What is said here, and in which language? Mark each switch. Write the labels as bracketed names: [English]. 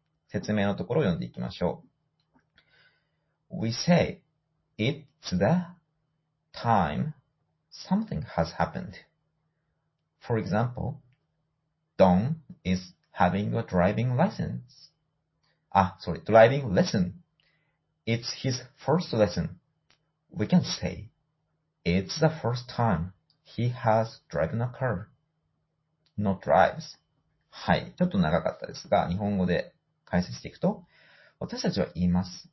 [Japanese] 説明のところを読んでいきましょう。 [English] We say it's the time something has happened. For example, Don is having a driving license. Driving lesson. It's his first lesson. We can say. It's the first time he has driven a car, not drives. [Japanese] はい。ちょっと長かったですが、日本語で解説していくと、私たちは言います。